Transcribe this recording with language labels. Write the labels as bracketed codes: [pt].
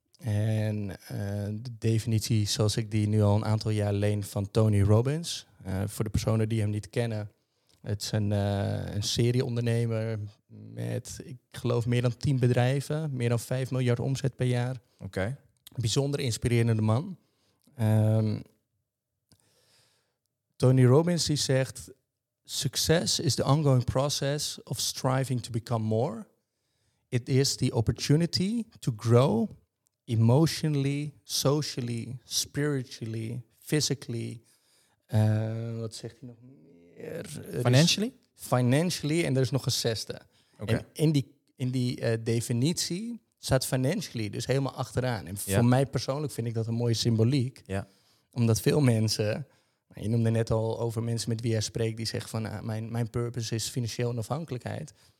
[nl] En de definitie zoals ik die nu al een aantal jaar leen van Tony Robbins. Voor de personen die hem niet kennen. Het is een serieondernemer met, ik geloof, meer dan 10 bedrijven. Meer dan 5 miljard omzet per jaar. Okay. Bijzonder inspirerende man. [en] Tony Robbins [nl] die zegt, [en] success is the ongoing process of striving to become more. It is the opportunity to grow emotionally, socially, spiritually, physically. [nl] Wat zegt hij nog meer? [en] Financially? [nl] Financially, en er is nog een zesde. Okay. En in die definitie staat financially dus helemaal achteraan. En voor mij persoonlijk vind ik dat een mooie symboliek. Yeah. Omdat veel mensen, je noemde net al over mensen met wie jij spreekt, die zeggen van mijn purpose is financieel onafhankelijkheid.